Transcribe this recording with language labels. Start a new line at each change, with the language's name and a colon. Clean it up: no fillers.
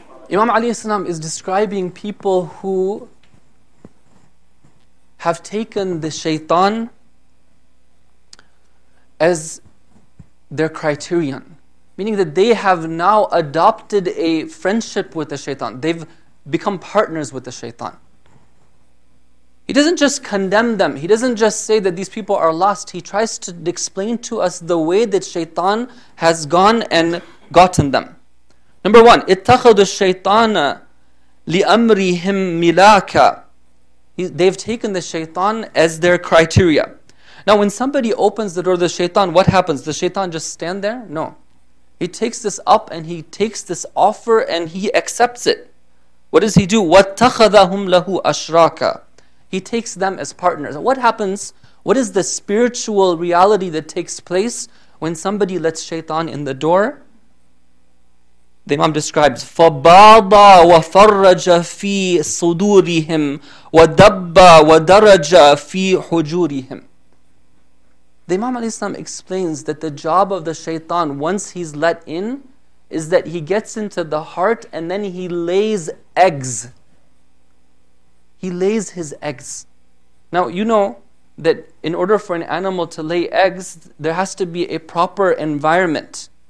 English: Imam alayhi salam is describing people who have taken the shaitan as their criterion, meaning that they have now adopted a friendship with the shaitan. They've become partners with the shaitan. He doesn't just condemn them. He doesn't just say that these people are lost. He tries to explain to us the way that shaitan has gone and gotten them. Number one,
Arabic: اتخذوا الشيطان لأمرهم ملاكا.
English: They've taken the shaitan as their criteria. Now when somebody opens the door to the shaitan, what happens? Does the shaitan just stand there? No. He takes this up and he takes this offer and he accepts it. What does he do?
Arabic: وَاتَّخَذَهُمْ لَهُ أَشْرَاكَ.
English: He takes them as partners. What happens? What is the spiritual reality that takes place when somebody lets shaitan in the door? The Imam describes,
Arabic: فَبَاضَ وَفَرَّجَ فِي صُدُورِهِمْ وَدَبَّ وَدَرَجَ فِي حُجُورِهِمْ.
English: The Imam alayhi salam explains that the job of the shaitan once he's let in is that he gets into the heart and then he lays eggs. He lays his eggs. Now you know that in order for an animal to lay eggs, there has to be a proper environment.